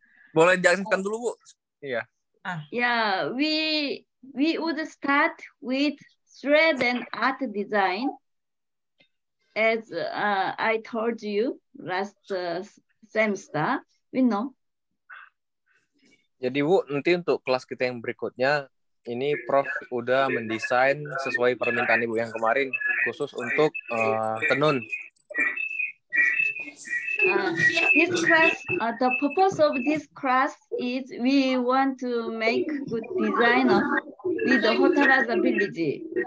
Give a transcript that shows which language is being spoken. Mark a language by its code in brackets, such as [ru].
[id] Boleh dijelaskan dulu, Bu? Yeah. [en] Yeah, we would start with thread and art design. As I told you last semester, we know. [id] Jadi, Bu, nanti untuk kelas kita yang berikutnya, ini Prof udah mendesain sesuai permintaan Ibu yang kemarin khusus untuk tenun. [en] This class, the purpose of this class is we want to make good design of the hotel as a village.